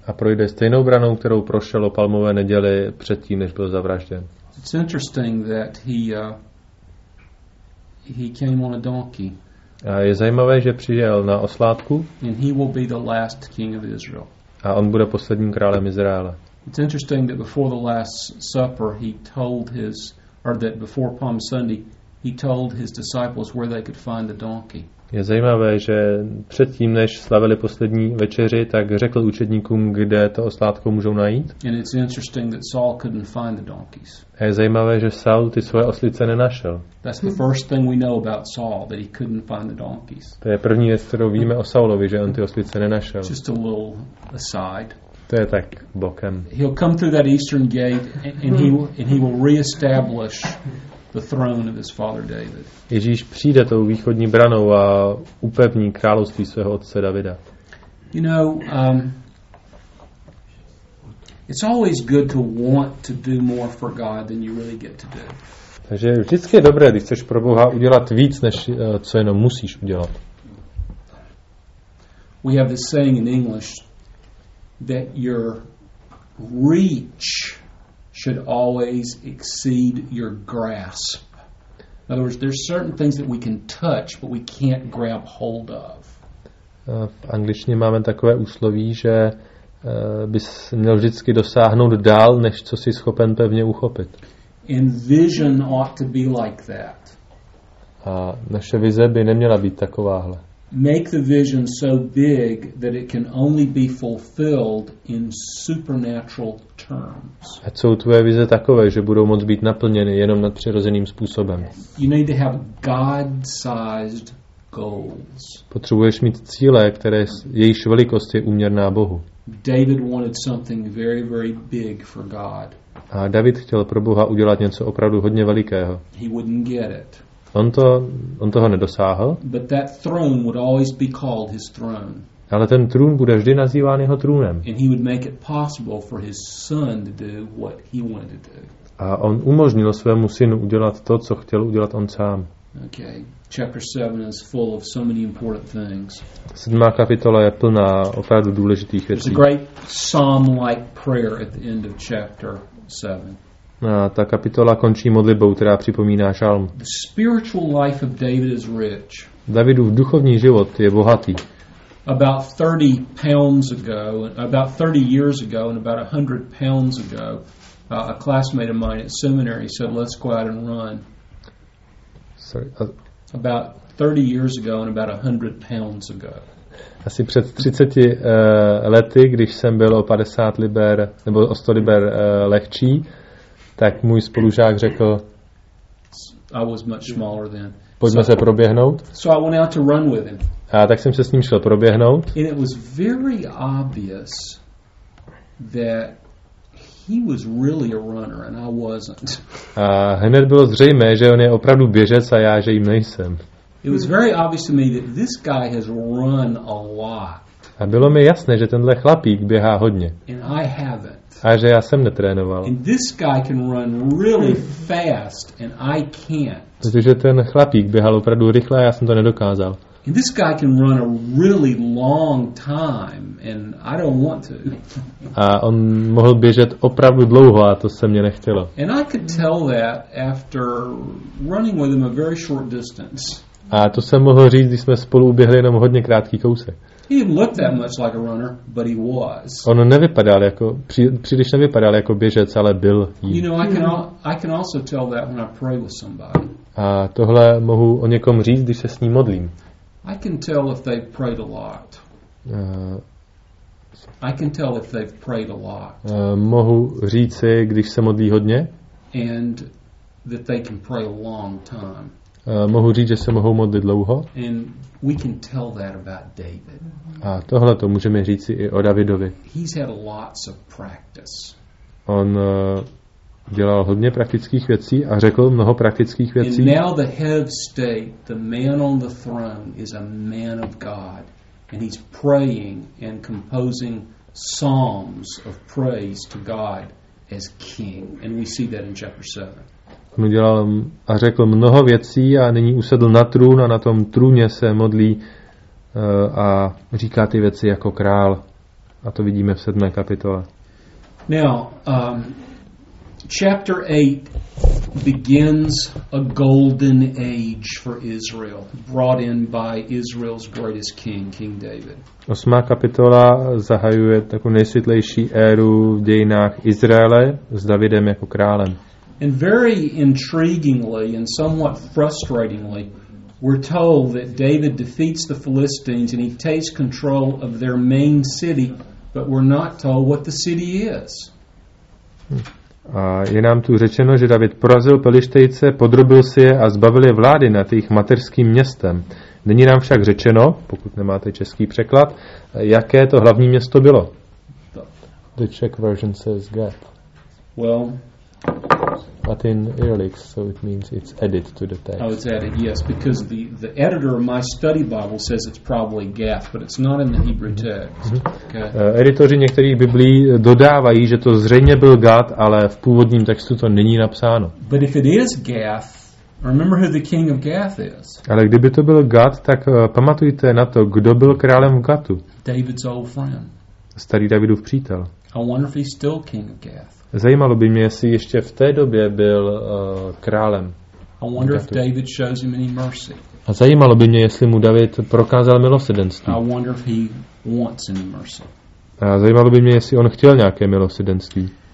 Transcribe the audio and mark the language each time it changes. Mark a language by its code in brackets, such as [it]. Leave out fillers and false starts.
[cs] A projde stejnou branou, kterou prošel o palmové neděli předtím, než byl zavražděn. [en] It's interesting that he came on a donkey. [cs] A je zajímavé, že přijel na oslátku. [en] And he will be the last king of Israel. [cs] A on bude posledním králem Izraele. [en] It's interesting that before the Last Supper he told his, or that before Palm Sunday he told his disciples where they could find the donkey. [cs] Je zajímavé, že předtím, než slavili poslední večeři, tak řekl učedníkům, kde to oslátko můžou najít. [en] And it's interesting that Saul couldn't find the donkeys. [cs] A je zajímavé, že Saul ty svoje oslice nenašel. [en] That's the first thing we know about Saul, that he couldn't find the donkeys. [cs] To je první věc, kterou víme o Saulovi, že on ty oslice nenašel. [en] Just a little aside. [cs] To je tak bokem. [en] He'll come through that eastern gate and he will reestablish the throne of his father David. [cs] Ježíš přijde tou východní branou a upevní království svého otce Davida. [en] You know, it's always good to want to do more for God than you really get to do. [cs] Takže vždycky je dobré, když chceš pro Boha udělat víc, než co jenom musíš udělat. [en] We have this saying in English that your reach should always exceed your grasp. In other words, there's certain things that we can touch, but we can't grab hold of. [cs] V angličtině máme takové úsloví, že bys měl vždycky dosáhnout dál, než co jsi schopen pevně uchopit. [en] And vision ought to be like that. [cs] A naše vize by neměla být takováhle. [en] Make the vision so big that it can only be fulfilled in supernatural terms. [cs] Ať jsou tvoje vize takové, že budou moct být naplněny jenom nadpřirozeným způsobem. [en] You need to have God-sized goals. [cs] Potřebuješ mít cíle, které jejichž velikost je úměrná Bohu. [en] David wanted something very, very big for God. [cs] A David chtěl pro Boha udělat něco opravdu hodně velikého. [en] He wouldn't get it. [cs] On toho nedosáhl. [en] But that throne would always be called his throne. [cs] Ale ten trůn bude vždy nazýván jeho trůnem. [en] And he would make it possible for his son to do what he wanted to do. [cs] A on umožnil svému synu udělat to, co chtěl udělat on sám. [en] Okay. Chapter 7 is full of so many important things. [cs] Sedmá kapitola je plná opravdu důležitých věcí. [en] There's a great psalm-like prayer at the end of chapter 7. [cs] A ta kapitola končí modlitbou, která připomíná žalm. [en] The spiritual life of David is rich. [cs] Davidův duchovní život je bohatý. [en] About 30 pounds ago, about 30 years ago and about 100 pounds ago, a classmate of mine at seminary said, "Let's go out and run." About 30 years ago and about 100 pounds ago. [cs] Asi před 30 lety, když jsem byl o 50 liber nebo o 100 liber lehčí, tak můj spolužák řekl, [en] I was much smaller then. [cs] Pojďme se proběhnout. [en] So I went out to run with him. [cs] A tak jsem se s ním šel proběhnout. [en] And it was very obvious that he was really a runner and I wasn't. [cs] A hned bylo zřejmé, že on je opravdu běžec a já, že jim nejsem. [en] It was very obvious to me that this guy has run a lot. [cs] A bylo mi jasné, že tenhle chlapík běhá hodně. [en] And I haven't. [cs] A že já jsem netrénoval. [en] And this guy can run really fast and I can't. [cs] Protože ten chlapík běhal opravdu rychle a já jsem to nedokázal. [en] And this guy can run a really long time and I don't want to. [cs] A on mohl běžet opravdu dlouho a to se mě nechtělo. [en] And I could tell that after running with him a very short distance. [cs] A to jsem mohl říct, když jsme spolu uběhli jenom hodně krátký kousek. [en] He didn't look that much like a runner, but he was. [cs] On nevypadal jako příliš nevypadal jako běžec, ale byl jím. [en] You know, I can also tell that when I pray with somebody. [cs] A tohle mohu o někom říct, když se s ním modlím. [en] I can tell if they've prayed a lot. I can tell if they've prayed a lot. [cs] Mohu říci, když se modlí hodně. [en] And that they can pray a long time. [cs] Mohu říct, že se mohou modlit dlouho. [en] And we can tell that about David. [cs] A tohle to můžeme říci i o Davidovi. [en] He's had lots of practice. [cs] On dělal hodně praktických věcí a řekl mnoho praktických věcí. [en] And now the head of state, the man on the throne, is a man of God. And he's praying and composing psalms of praise to God as king. And we see that in chapter 7. [cs] On udělal a řekl mnoho věcí a nyní usedl na trůn a na tom trůně se modlí a říká ty věci jako král. A to vidíme v 7. kapitole. [en] Now, chapter 8 begins a golden age for Israel, brought in by Israel's greatest king, King David. [cs] 8. kapitola zahajuje takovou nejsvětlejší éru v dějinách Izraele s Davidem jako králem. [en] And very intriguingly and somewhat frustratingly, we're told that David defeats the Philistines and he takes control of their main city, but we're not told what the city is. [cs] A je nám tu řečeno, že David porazil Pelištejce, podrobil si je a zbavil je vlády nad jejich mateřským městem. Není nám však řečeno, pokud nemáte český překlad, jaké to hlavní město bylo. [en] The Czech version says Gath. Well, but in Erlik, so it means it's added to the text. Oh, it's added, yes, because the editor of my study Bible says it's probably Gath, but it's not in the Hebrew text. Mm-hmm. Okay. [cs] Editoři některých biblí dodávají, že to zřejmě byl Gath, ale v původním textu to není napsáno. [en] But if it is Gath, remember who the king of Gath is. [cs] Ale kdyby to byl Gath, tak pamatujte na to, kdo byl králem v Gathu. [en] David's old friend. [cs] Starý Davidův přítel. [en] I wonder if he's still king of Gath. [cs] Zajímalo by mě, jestli ještě v té době byl králem. [en] I wonder if David shows him any mercy. [cs] A zajímalo by mě, jestli mu David prokázal milosrdenství. [en] I wonder if he wants any mercy. [cs] A zajímalo by mě, jestli on chtěl nějaké milosrdenství.